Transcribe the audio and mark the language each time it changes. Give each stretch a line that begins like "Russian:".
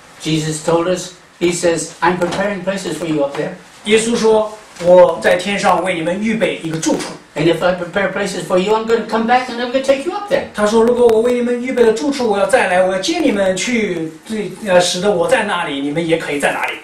English: Jesus told us, he says, I'm preparing places for you up there.
Chinese: 耶稣说，我在天上为你们预备一个住处。
English: And if I prepare places for you, I'm going to come back and I'm going to take you up there.
Chinese: 他说，如果我为你们预备了住处，我要再来，我要接你们去，使得我在那里，你们也可以在那里。